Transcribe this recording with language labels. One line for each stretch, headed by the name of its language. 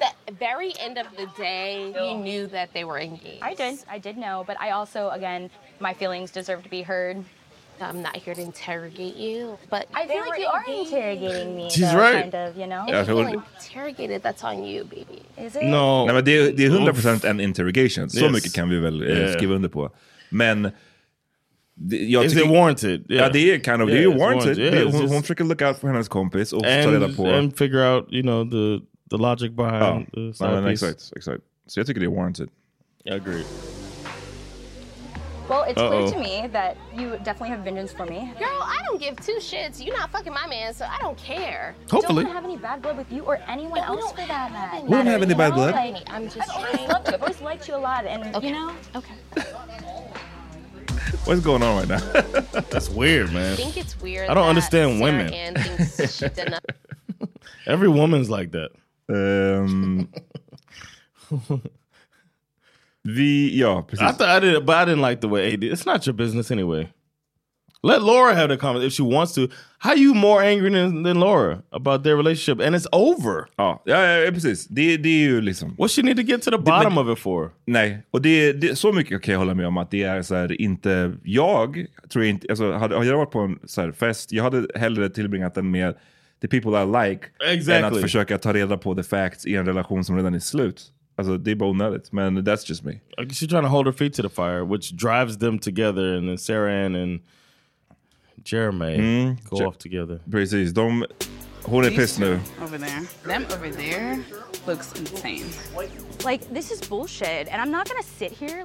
English: At the very end of the day, you knew that they were engaged. I did. I did know, but I also, again, my feelings deserve to be heard. I'm not here to interrogate you, but I feel like you are interrogating me. She's though, right. Kind of, you know. Yeah, if you're interrogated, that's on you, baby. Is it? No.
Swedish: Nej, men det är 100% en interrogation.
English: Yes.
Swedish: Så mycket kan vi väl skriva under på. Men jag
English: is it warranted? Yeah.
Swedish: Ja, det är
English: kind of. Yeah, it's warranted. Yeah,
Swedish: hon just... försöker
English: look out for
Swedish: hennes kompis och ta reda på.
English: And figure out, you know, the logic behind the side piece.
Swedish: Exakt. Så jag tycker det är
English: warranted. Yeah, I agree. Well, it's clear to me that you definitely have vengeance for me. Girl, I don't give two shits. You're not fucking my man, so I don't care. Hopefully. I don't have any bad blood with you or anyone else for that matter. We don't have any bad blood. Like, I'm just trying. I've always liked you a lot, and you know? Okay. What's going on right now? That's weird, man. I think it's weird. I don't understand Sarah women. Every woman's like that. I didn't like the way AD. It's not your business anyway. Let Laura have the comment if she wants to. How are you more angry than Laura about their relationship? And it's over. Oh, yeah,
Swedish: precis. Det är ju liksom...
English: What she need to get to the bottom of it for?
Swedish: Nej, och det så mycket kan jag hålla med om att det är så här, inte... Jag tror inte... Alltså, hade jag varit på en så här, fest, jag hade hellre tillbringat den med
English: the people I like. Exactly.
Swedish: Än att försöka ta reda på
English: the facts
Swedish: i en relation som redan är slut. Alltså, det är bara onödigt, men
English: that's just me. She's trying to hold her feet to the fire, which drives them together, and then Sarah Ann and... Jeremy, go off together.
Swedish: Precis, de... Hon är pissed nu.
English: Over there. Them over there looks insane. Like, this is bullshit, and I'm not gonna sit here.